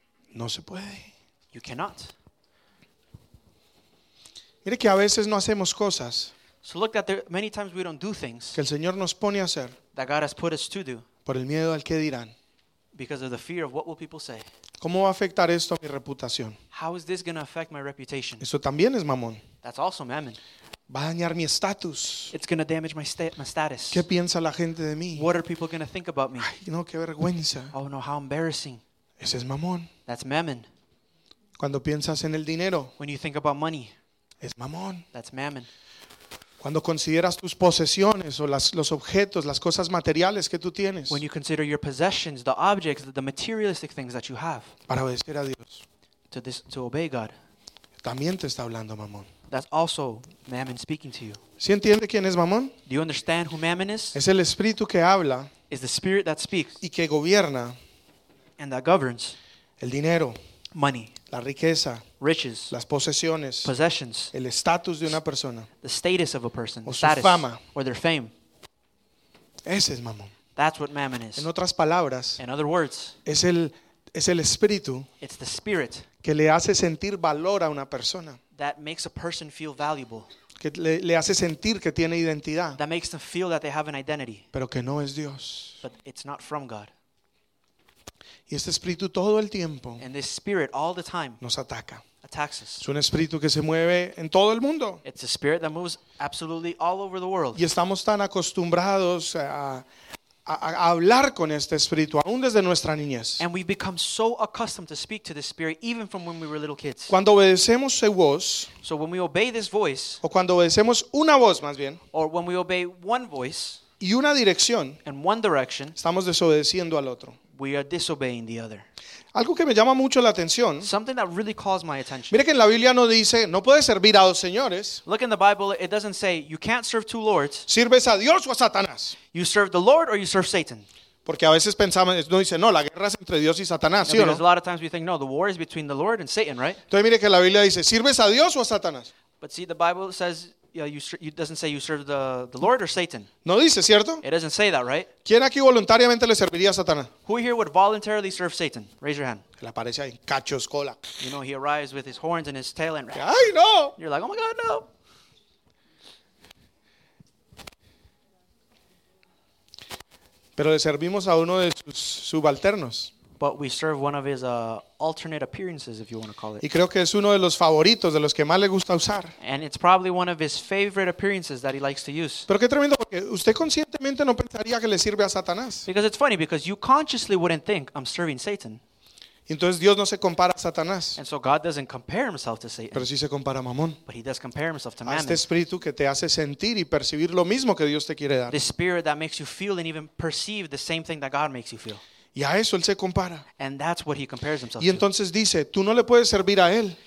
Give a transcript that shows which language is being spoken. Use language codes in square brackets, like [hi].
[es] No se puede. [en] You cannot. [es] Mire que a veces no hacemos cosas. [en] So look that there, many times we don't do things [es] que el Señor nos pone a hacer [en] that God has put us to do [es] por el miedo al qué dirán. [en] Because of the fear of what will people say. [es] ¿Cómo va a afectar esto a mi reputación? [en] How is this going to affect my reputation? [es] Eso también es mamón. [en] That's also mammon. [es] Va a dañar mi estatus. [en] It's going to damage my status. [es] ¿Qué piensa la gente de mí? [en] What are people going to think about me? [es] Ay, no, qué vergüenza. [en] Oh no, how embarrassing. [es] Ese es mamón. [en] That's mammon. [es] Cuando piensas en el dinero. [en] When you think about money. [es] Es mamón. [en] That's mammon. [es] Cuando consideras tus posesiones o los objetos, las cosas materiales que tú tienes. [en] When you consider your possessions, the objects, the materialistic things that you have. [es] Para obedecer a Dios. [en] To obey God. [es] También te está hablando mamón. [en] That's also mammon speaking to you. [es] ¿Sí entiende quién es mamón? [en] Do you understand who mammon is? [es] Es el espíritu que habla. [en] Is the spirit that speaks. [es] Y que gobierna. [en] And that governs. [es] El dinero. [en] Money. [es] La riqueza. [en] Riches. [es] Las posesiones. [en] Possessions. [es] El estatus de una persona. [en] The status of a person. [es] O [en] the status, [es] su fama. [en] Or their fame. [es] Ese es mamón. [en] That's what mammon is. [es] En otras palabras. [en] In other words. [es] Es el espíritu. [en] It's the spirit. [es] Que le hace sentir valor a una persona. [en] That makes a person feel valuable. [es] Que le hace sentir que tiene identidad. [en] That makes them feel that they have an identity. [es] Pero que no es Dios. [en] But it's not from God. [es] Y este espíritu todo el tiempo. [en] And this spirit all the time. [es] Nos ataca. [en] Attacks us. [es] Es un espíritu que se mueve en todo el mundo. [en] It's a spirit that moves absolutely all over the world. [es] Y estamos tan acostumbrados a hablar con este espíritu aún desde nuestra niñez. [en] And we've become so accustomed to speak to this spirit even from when we were little kids. [es] Cuando obedecemos su voz, [en] so when we obey this voice, [es] o cuando obedecemos una voz más bien, [en] or when we obey one voice, [es] y una dirección, [en] and one direction, [es] estamos desobedeciendo al otro. [en] We are disobeying the other. [es] Algo que me llama mucho la atención. [en] Something that really calls my attention. [es] Mire que en la Biblia no dice, no puedes servir a dos señores. [en] Look in the Bible, it doesn't say, you can't serve two lords. [es] ¿Sirves a Dios o a Satanás? [en] You serve the Lord or you serve Satan. [es] Porque a veces pensamos, no dice, no, la guerra es entre Dios y Satanás, ¿sí o no? [en] Because a lot of times we think, no, the war is between the Lord and Satan, right? [es] Entonces mire que la Biblia dice, ¿sirves a Dios o a Satanás? [en] But see, the Bible says, it doesn't say you serve the Lord or Satan. [es] No dice, ¿cierto? [en] It doesn't say that, right? [es] ¿Quién aquí voluntariamente le serviría a Satanás? [en] Who here would voluntarily serve Satan? Raise your hand. [es] Él aparece ahí, cachos, cola. [en] You know, he arrives with his horns and his tail and... [es] ¡Ay, no! [en] You're like, oh my God, no! [es] Pero le servimos a uno de sus subalternos. [en] But we serve one of his alternate appearances, if you want to call it. [es] Y creo que es uno de los favoritos, de los que más le gusta usar. [en] And it's probably one of his favorite appearances that he likes to use. [es] Pero qué tremendo, porque usted conscientemente no pensaría que le sirve a Satanás. [en] Because it's funny, because you consciously wouldn't think I'm serving Satan. [es] Y entonces Dios no se compara a Satanás. [en] And so God doesn't compare himself to Satan. [es] Pero sí se compara a Mamón. [en] But he does compare himself to Mammon. [es] A este espíritu que te hace sentir y percibir lo mismo que Dios te quiere dar. [en] The spirit that makes you feel and even perceive the same thing that God makes you feel. [es] Y a eso él se compara. [en] And that's what he compares himself [es] y entonces dice, tú no le puedes servir a él.